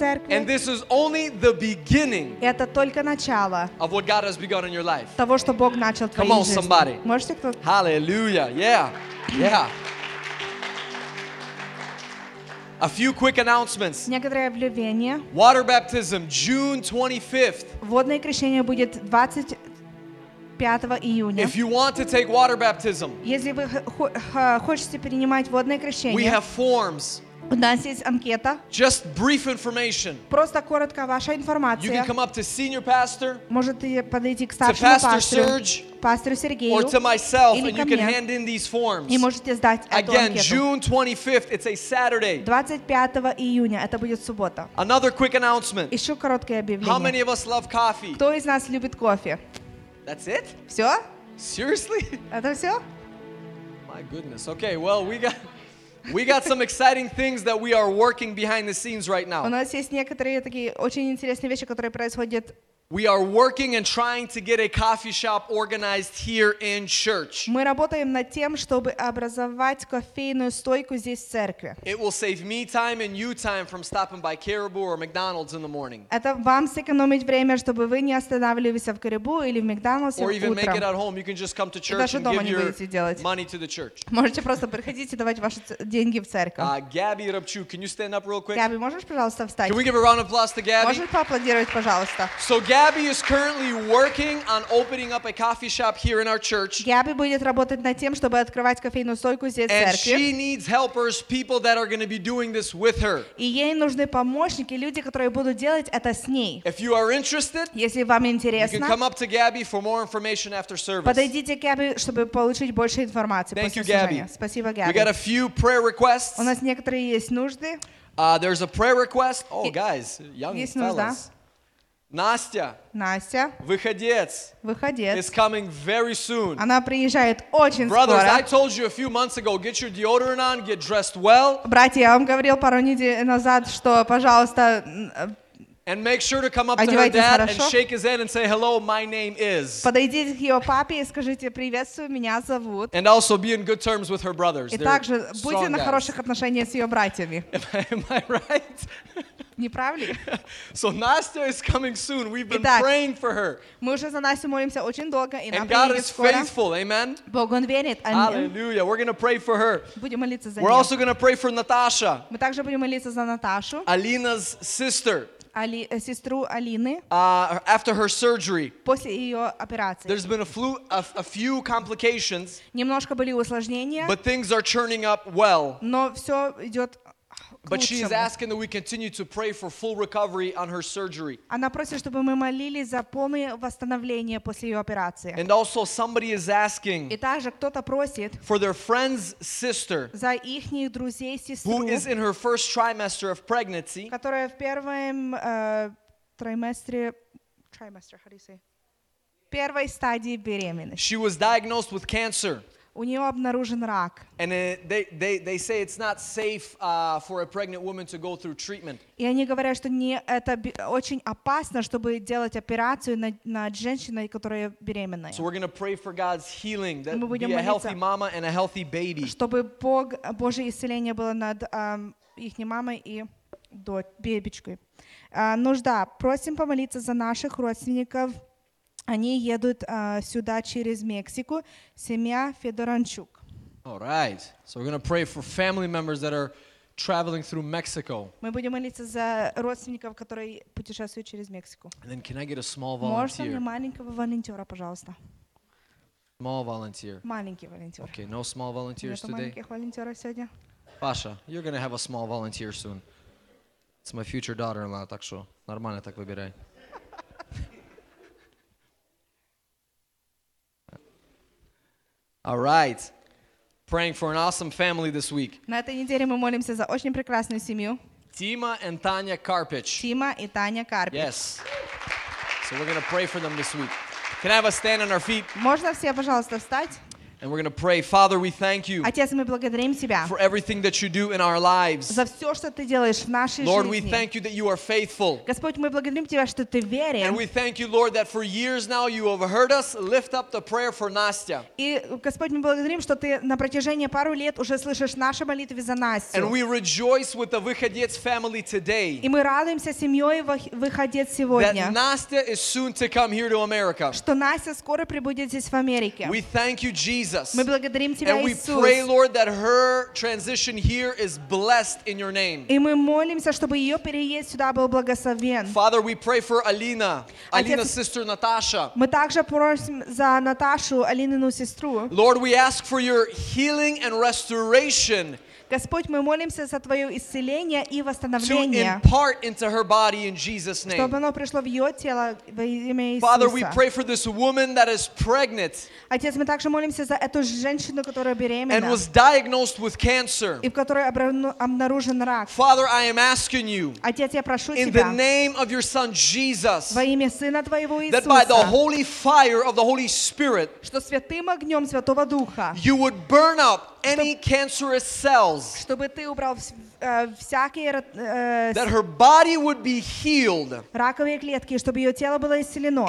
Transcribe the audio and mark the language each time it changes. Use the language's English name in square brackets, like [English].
[English] And this is only the beginning of what God has begun in your life. Come on, somebody. Hallelujah. Yeah. Yeah. A few quick announcements. Water baptism, June 25th. [Russian] Водное крещение будет 25 июня. [English] If you want to take water baptism, [Russian] если вы хотите принимать водное крещение, [English] we have forms. [Russian] У нас есть анкета. [English] Just brief information. [Russian] Просто коротко ваша информация. [English] You can come up to senior pastor. [Russian] Можете подойти к старшему пастору. Пастору Сергею. [English] Or to myself, and you can hand in these forms. [Russian] И можете сдать эту анкету. [English] Again, June 25th. It's a Saturday. [Russian] 25 июня. Это будет суббота. [English] Another quick announcement. [Russian] Еще короткое объявление. [English] How many of us love coffee? [Russian] Кто из нас любит кофе? [English] That's it? [Russian] Все? [English] Seriously? [Russian] Это все? [English] My goodness. Okay. Well, we got some exciting things that we are working behind the scenes right now. [Russian] У нас есть некоторые такие очень интересные вещи, которые происходят. [English] We are working and trying to get a coffee shop organized here in church. [Russian] Мы работаем над тем, чтобы образовать кофейную стойку здесь в церкви. [English] It will save me time and you time from stopping by Caribou or McDonald's in the morning. [Russian] Это вам сэкономит время, чтобы вы не останавливались в Caribou или в McDonald's утром. [English] Or even make it at home. You can just come to church and give your money to the church. [Russian] Можете просто приходить и давать ваши деньги в церковь. [English] Gabby Рабчук, can you stand up real quick? [Russian] Gabby, можешь, пожалуйста, встать? [English] Can we give a round of applause to Gabby? [Russian] Можешь поаплодировать, пожалуйста? [English] So Gabby is currently working on opening up a coffee shop here in our church. [Russian] Gabby будет работать над тем, чтобы открывать кофейную стойку здесь в церкви. [English] And she needs helpers, people that are going to be doing this with her. [Russian] И ей нужны помощники, люди, которые будут делать это с ней. [English] If you are interested, [Russian] если вам интересно, [English] you can come up to Gabby for more information after service. [Russian] Подойдите к Gabby, чтобы получить больше информации после служения. [English] Thank you, Gabby. [Russian] Спасибо, Gabby. [English] We got a few prayer requests. [Russian] У нас некоторые есть нужды. [English] There's a prayer request. Oh, guys, young fellas. Настя. [Russian] Настя. Выходец. Выходец. [English] Is coming very soon. [Russian] Она приезжает очень [English] Brothers, [Russian] скоро. [English] Brothers, I told you a few months ago, get your deodorant on, get dressed well. [Russian] Братья, я вам говорил пару недель назад, что, пожалуйста, [English] And make sure to come up to her dad and shake his hand and say, "Hello, my name is." [Russian] Подойдите к её папе и скажите: "Приветствую, меня зовут." [English] And also be in good terms with her brothers. [Russian] И также будьте на хороших отношениях с её братьями. [English] Am I right? [Russian] Не прав ли? [English] So Nastya is coming soon. We've been Итак, praying for her. [Russian] Мы уже за Настю молимся очень долго, и она [English] And God is [Russian] скоро. [English] Faithful. Amen. [Russian] Бог он верит. Аминь. [English] Hallelujah. We're going to pray for her. [Russian] Будем молиться за нее. [English] We're also going to pray for Natasha. [Russian] Мы также будем молиться за Наташу. [English] Alina's sister. [Russian] Сестру Алины. [English] After her surgery. [Russian] После ее операции. [English] There's been a few complications. [Russian] Немножко были усложнения. [English] But things are churning up well. [Russian] Но все идет [English] But she is asking that we continue to pray for full recovery on her surgery. [Russian] Она просит, чтобы мы молились за полное восстановление после ее операции. [English] And also somebody is asking. [Russian] И также кто-то просит. [English] For their friend's sister. [Russian] За ихних друзей сестру. [English] Who is in her first trimester of pregnancy? [Russian] Которая в первом триместре. [English] How do you say? [Russian] Первой стадии беременности. [English] She was diagnosed with cancer. [Russian] У неё обнаружен рак. [English] And they say it's not safe for a pregnant woman to go through treatment. [Russian] И они говорят, что не это очень опасно, чтобы делать операцию на женщиной, которая беременная. [English] So we're going to pray for God's healing that be a healthy mama and a healthy baby. [Russian] Чтобы Божье исцеление было над ихней мамой и бебечкой. Нужда. Просим помолиться за наших родственников. Они едут сюда через Мексику. Семья Федоранчук. [English] All right. So we're going to pray for family members that are traveling through Mexico. [Russian] Мы будем молиться за родственников, которые путешествуют через Мексику. [English] And then can I get a small volunteer? [Russian] Можно мне маленького волонтера, пожалуйста? [English] Small volunteer. [Russian] Маленький волонтер. [English] Okay, no small volunteers today. [Russian] Нет маленьких волонтеров сегодня. [English] Паша, you're going to have a small volunteer soon. It's my future daughter-in-law, [Russian] так что нормально так выбирай. [English] All right. Praying for an awesome family this week. [Russian] На этой неделе мы молимся за очень прекрасную семью. Тима и Таня Карпич. Тима и Таня Карпич. [English] Yes. So we're going to pray for them this week. Can I have us stand on our feet? [Russian] Можно все, пожалуйста, встать? [English] And we're going to pray, Father, we thank you [Russian] Отец, мы благодарим тебя [English] for everything that you do in our lives. [Russian] За все, что ты делаешь в нашей жизни. [English] Lord, we thank you that you are faithful. [Russian] Господь, мы благодарим тебя, что ты верен. [English] And we thank you, Lord, that for years now you have heard us lift up the prayer for Nastya. [Russian] И, Господь, мы благодарим, что ты на протяжении пару лет уже слышишь наши молитвы за Настю. [English] And we rejoice with the Выходец family today. [Russian] И мы радуемся семьей Выходец сегодня. [English] That Nastya is soon to come here to America. [Russian] Что Настя скоро прибудет здесь в Америке. [English] We thank you, Jesus. [Russian] Мы благодарим тебя, Иисус. [English] And we pray, Lord, that her transition here is blessed in your name. [Russian] И мы молимся, чтобы ее переезд сюда был благословен. [English] Father, we pray for Alina, Alina's sister Natasha. [Russian] Мы также просим за Наташу, Алинину сестру. [English] Lord, we ask for your healing and restoration. [Russian] Господь, мы молимся за твое исцеление и восстановление. [English] To impart into her body in Jesus' name. [Russian] Чтобы оно пришло в ее тело во имя Иисуса. [English] Father, we pray for this woman that is pregnant. [Russian] Отец, мы также молимся за эту женщину, которая беременна. [English] And was diagnosed with cancer. [Russian] И в которой обнаружен рак. [English] Father, I am asking you. [Russian] Отец, я прошу тебя. [English] In the name of your Son Jesus. [Russian] Во имя Сына твоего Иисуса. [English] That by the holy fire of the Holy Spirit. [Russian] Что святым огнем Святого Духа. [English] You would burn up. Any cancerous cells. [Russian] Чтобы ты убрал всякие. [English] That her body would be healed. [Russian] Раковые клетки, чтобы ее тело было исцелено.